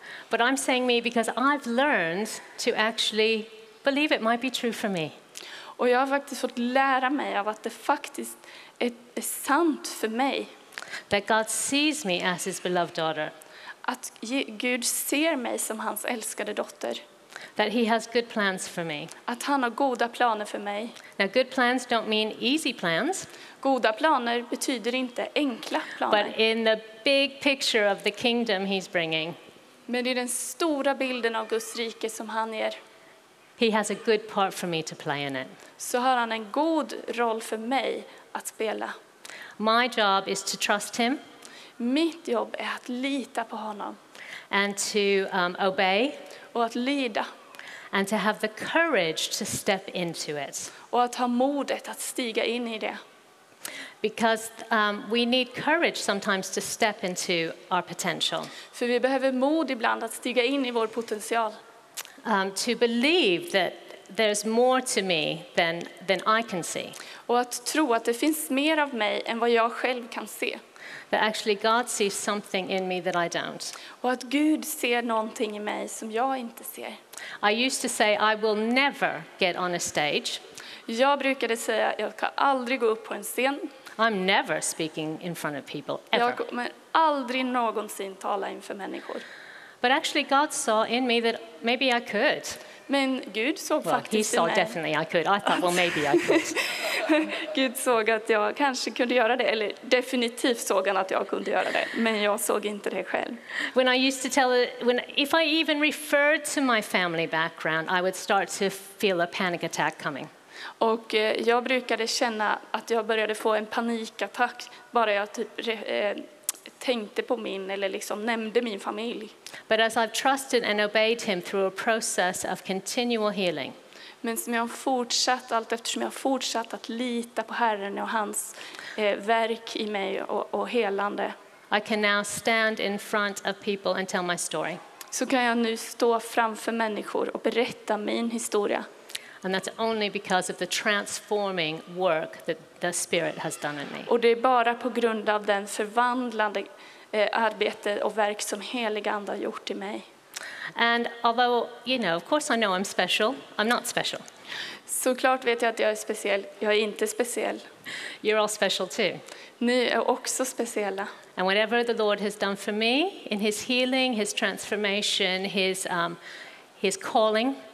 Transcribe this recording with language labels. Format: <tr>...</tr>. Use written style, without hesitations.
<en>But I'm saying me because I've learned to actually believe it might be true for me.</en> <sv>Och jag har faktiskt fått lära mig av att det faktiskt är sant för mig.</sv> <en>That God sees me as his beloved daughter.</en> <sv>Att Gud ser mig som hans älskade dotter.</sv> <en>That he has good plans for me.</en> <sv>Att han har goda planer för mig.</sv> <en>Now good plans don't mean easy plans.</en> <sv>Goda planer betyder inte enkla planer.</sv> <en>But in the big picture of the kingdom he's bringing.</en> <sv>Men i den stora bilden av Guds rike som han ger.</sv> <en>He has a good part for me to play in it.</en> <sv>Så har han en god roll för mig att spela.</sv> <en>My job is to trust him.</en> <sv>Mitt jobb är att lita på honom.</sv> <en>And to obey.</en> <sv>Och att lyda.</sv> <en>And to have the courage to step into it.</en> <sv>Och att ha modet att stiga in i det.</sv> <en>Because we need courage sometimes to step into our potential.</en> <sv>För vi behöver mod ibland att stiga in i vår potential.</sv> <en>To believe that there's more to me than I can see.</en> <sv>Och att tro att det finns mer av mig än vad jag själv kan se.</sv> <en>That actually God sees something in me that I don't.</en> <sv>Och att Gud ser någonting i mig som jag inte ser.</sv> <en>I used to say I will never get on a stage.</en> <sv>Jag brukade säga jag kan aldrig gå upp på en scen.</sv> <en>I'm never speaking in front of people ever.</en> <sv>Jag kommer aldrig någonsin tala inför människor.</sv> <en>But actually God saw in me that maybe I could.</en> <sv>Men Gud såg</sv> <en>well,</en> <sv>faktiskt</sv> <en>he saw</en> <sv>mig.</sv> <en>Definitely I could. I thought well maybe I could.</en> <sv>Gud såg att jag kanske kunde göra det, eller definitivt såg han att jag kunde göra det, men jag såg inte det själv.</sv> <en>When I used to tell if I even referred to my family background, I would start to feel a panic attack coming.</en> <sv>Och jag brukade känna att jag började få en panikattack bara jag typ tänkte på min eller liksom nämnde min familj.</sv> <en>But as I've trusted and obeyed him through a process of continual healing.</en> <sv>Men som jag har fortsatt, allt eftersom jag har fortsatt att lita på Herren och hans verk i mig och helande.</sv> <en>I can now stand in front of people and tell my story.</en> <sv>Så kan jag nu stå framför människor och berätta min historia.</sv> <en>And that's only because of the transforming work that the Spirit has done in me.</en> <sv>Och det är bara på grund av den förvandlande arbete och verk som Helige Ande har gjort i mig.</sv> <en>And although, you know, of course I know I'm special, I'm not special.</en> <sv>Såklart vet jag att jag är speciell, jag är inte speciell.</sv> <en>You're all special too.</en> <sv>Ni är också speciella.</sv> <en>And whatever the Lord has done for me in his healing, his transformation, his calling.</en>